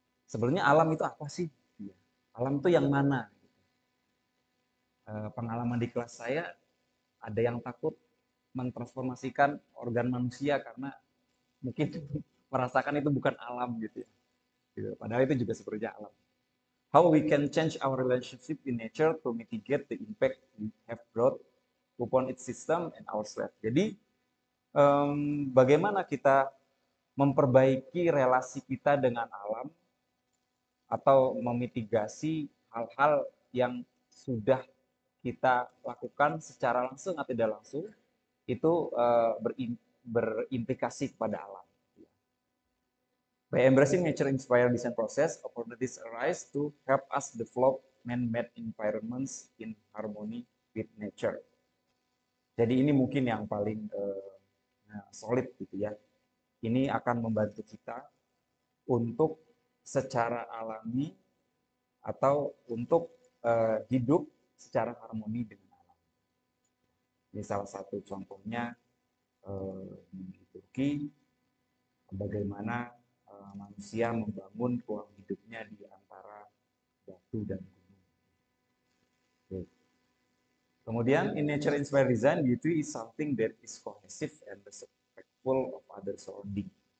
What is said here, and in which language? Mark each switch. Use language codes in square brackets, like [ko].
[id] Sebenarnya alam itu apa sih? Alam itu yang mana? Pengalaman di kelas saya, ada yang takut mentransformasikan organ manusia karena mungkin merasakan itu bukan alam gitu ya. Padahal itu juga sebenarnya alam. [en] How we can change our relationship in nature to mitigate the impact we have brought upon its system and ourselves. [id] Jadi, bagaimana kita memperbaiki relasi kita dengan alam atau memitigasi hal-hal yang sudah kita lakukan secara langsung atau tidak langsung itu berimplikasi pada alam. [en] By embracing nature-inspired design process, opportunities arise to help us develop man-made environments in harmony with nature. [id] Jadi ini mungkin yang paling solid gitu ya. Ini akan membantu kita untuk secara alami atau untuk hidup secara harmoni dengan alam. Ini salah satu contohnya di Turki, bagaimana manusia membangun ruang hidupnya di antara batu dan gunung. Okay. [en] Kemudian in nature inspired design, beauty is something that is cohesive and respectful of other surrounding.